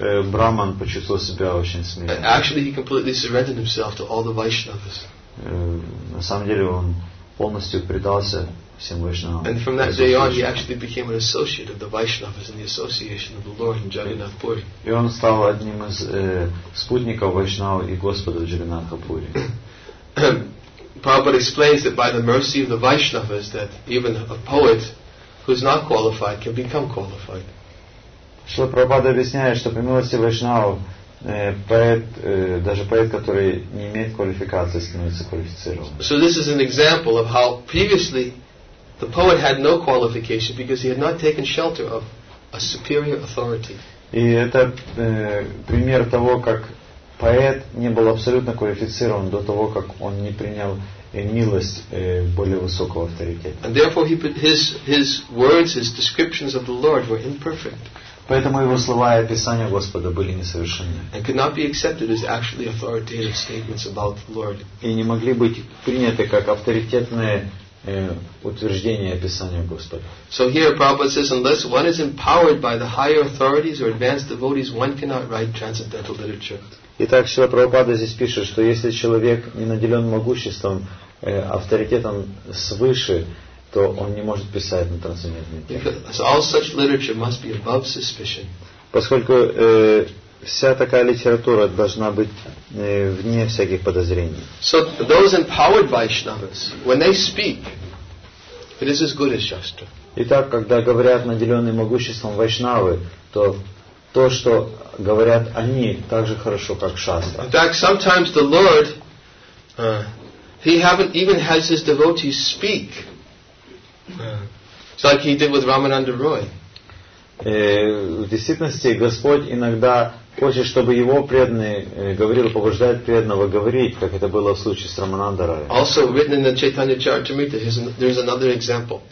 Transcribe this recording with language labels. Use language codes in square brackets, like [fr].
[ru] Браман почувствовал себя очень смиренно. [en] Actually he completely surrendered himself to all the Vaishnavas. [ru] На самом деле он полностью предался всем Вайшнавам. [en] And from that day on, he actually became an associate of the Vaishnavas in the association of the Lord in Jagannath Puri. [ru] И он стал одним из спутников Вайшнава и Господа в Джаганнатхапури. [en] Prabhupada explains that by the mercy of the Vaishnavas, that even a poet who is not qualified can become qualified. [ru] Шрила Прабхупада объясняет, что по милости Вайшнава даже поэт, который не имеет квалификации, становится квалифицированным. [en] So this is an example of how previously the poet had no qualification because he had not taken shelter of a superior authority. [ru] И это пример того, как поэт не был абсолютно квалифицирован до того, как он не принял милость более высокого авторитета. [en] And therefore his words, his descriptions of the Lord were imperfect. [ru] Поэтому его слова и описания Господа были несовершенны. И не могли быть приняты как авторитетные утверждения и описания Господа. [en] So here Prabhupada says, unless one is empowered by the higher authorities or advanced devotees, one cannot write transcendental literature. [ru] Итак, Шрила Прабхупада здесь пишет, что если человек не наделен могуществом, авторитетом свыше, то он не может писать на трансцендентной теме. Поскольку вся такая литература должна быть вне всяких подозрений. [en] So those empowered Vaishnavas, when they speak, it is as good as Shastra. [ru] Итак, когда говорят наделенные могуществом Вайшнавы, то то, что говорят они, так же хорошо, как Шастра. [en] In fact, sometimes the Lord, he haven't even has his devotees speak. It's like he did with Ramananda Roy. [ru] В действительности Господь иногда хочет, чтобы его преданный говорил, побуждает преданного говорить, как это было в случае с Рамананда Роем. [en] Also written in the Chaitanya Charitamrita, there's another example.